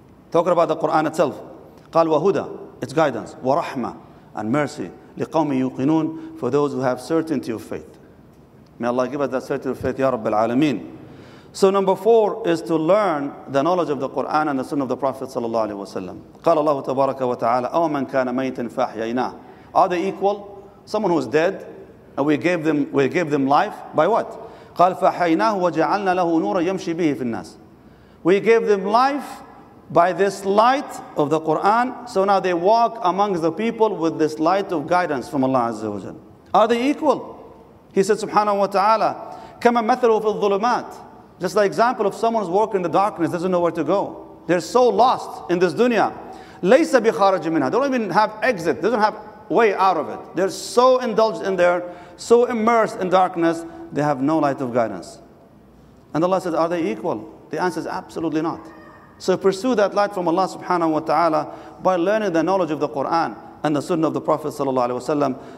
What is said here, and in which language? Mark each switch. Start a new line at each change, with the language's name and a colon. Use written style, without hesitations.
English: Talking about the Quran itself. Qal, Wahuda, it's guidance. Wa rahma, and mercy. Liqawmi yuqinun, for those who have certainty of faith. May Allah give us that certainty of faith, Ya Rabbil Alameen. So number four is to learn the knowledge of the Quran and the Sunnah of the Prophet sallallahu alaihi wasallam.
Arabic: قال الله تبارك وتعالى أو من كان ميتا فحيينا.
English: Are they equal? Someone who is dead, and we gave them life by what?
Arabic: قال فحيناه وجعلنا له نورا يمشي به في الناس.
English: We gave them life by this light of the Quran, so now they walk amongst the people with this light of guidance from Allah azza wa jalla. Are they equal? He said
Arabic: سبحانه وتعالى كما مثله في الظلمات.
English: Just the example of someone who's walking in the darkness, doesn't know where to go. They're so lost in this dunya.
Arabic: لَيْسَ بِخَارَجِ مِنْهَا.
English: They don't even have exit. They don't have way out of it. They're so indulged in there, so immersed in darkness, they have no light of guidance. And Allah says, are they equal? The answer is absolutely not. So pursue that light from Allah subhanahu wa ta'ala by learning the knowledge of the Quran and the Sunnah of the Prophet sallallahu alaihi wasallam.